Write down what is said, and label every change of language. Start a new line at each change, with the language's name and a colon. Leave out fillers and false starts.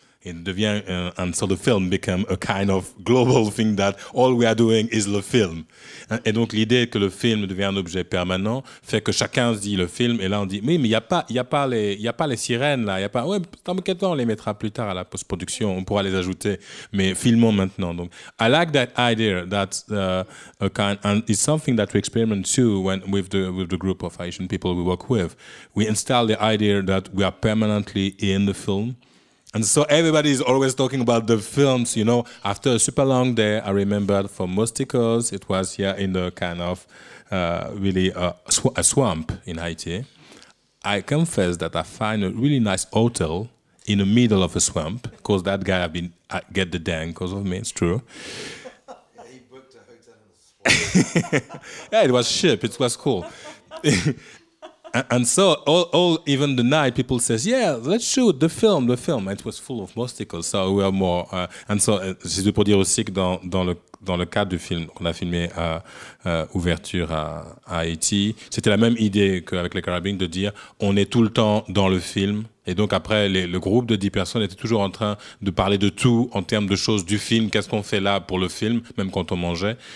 English: It devient and so the film became a kind of global thing that all we are doing is the film.
French: Et donc l'idée que le film devient un objet permanent fait que chacun se dit le film et là on dit oui mais il y a pas les sirènes là, il y a pas ouais t'inquiète pas on les mettra plus tard à la post-production, on pourra les ajouter mais filmons maintenant.
English: Donc I like that idea that a kind and it's something that we experiment too when with the group of Asian people we work with. We install the idea that we are permanently in the film. And so everybody is always talking about the films, you know. After a super long day, I remember for Mosticos, it was here in the kind of really a swamp in Haiti. I confess that I find a really nice hotel in the middle of a swamp because that guy have been get the dang because of me. It's true. Yeah, he booked a hotel in the swamp. Yeah, it was cheap. It was cool. And so all even the night people says, yeah, let's shoot the film. It was full of mosquitoes, so we are more and so
French: c'est pour dire aussi que dans le cadre du film qu'on a filmé ouverture à Haïti, c'était la même idée qu'avec les Caraïbes, de dire on est tout le temps dans le film. Et donc après, le groupe de 10 personnes était toujours en train de parler de tout en termes de choses du film, qu'est-ce qu'on fait là pour le film, même quand on mangeait.